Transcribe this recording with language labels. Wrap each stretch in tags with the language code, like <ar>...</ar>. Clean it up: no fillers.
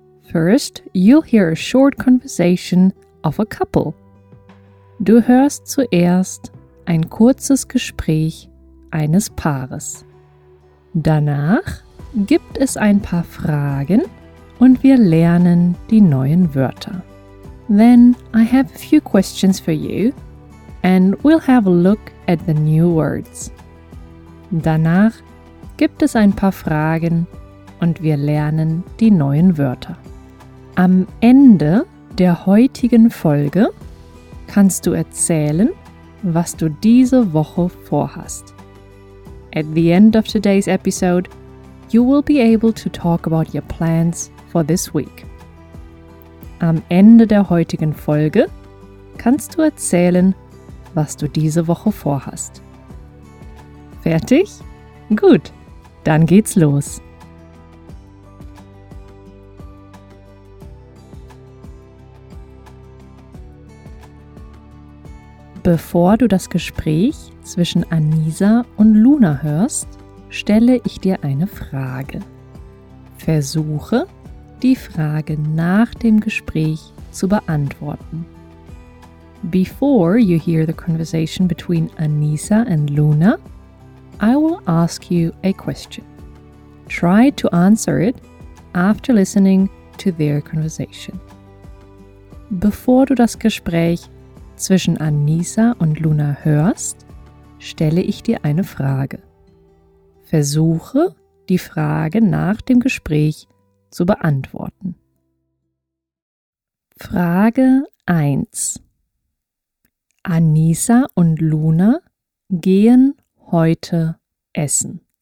<en>First, you'll hear a short conversation of a couple.</en> <de>Du hörst zuerst ein kurzes Gespräch eines Paares. Danach gibt es ein paar Fragen und wir lernen die neuen Wörter.</de> <en>Then I have a few questions for you and we'll have a look at the new words.</en> <de>Danach gibt es ein paar Fragen und wir lernen die neuen Wörter. Am Ende der heutigen Folge kannst du erzählen, was du diese Woche vorhast.</de> <en>At the end of today's episode, you will be able to talk about your plans for this week.</en> <de>Am Ende der heutigen Folge kannst du erzählen, was du diese Woche vorhast. Fertig? Gut, dann geht's los. Bevor du das Gespräch zwischen Anisa und Luna hörst, stelle ich dir eine Frage. Versuche, die Frage nach dem Gespräch zu beantworten.</de> <en>Before you hear the conversation between Anisa and Luna, I will ask you a question. Try to answer it after listening to their conversation.</en> <de>Bevor du das Gespräch zwischen Anisa und Luna hörst, stelle ich dir eine Frage. Versuche, die Frage nach dem Gespräch zu beantworten. Frage 1. Anisa und Luna gehen heute essen.</de>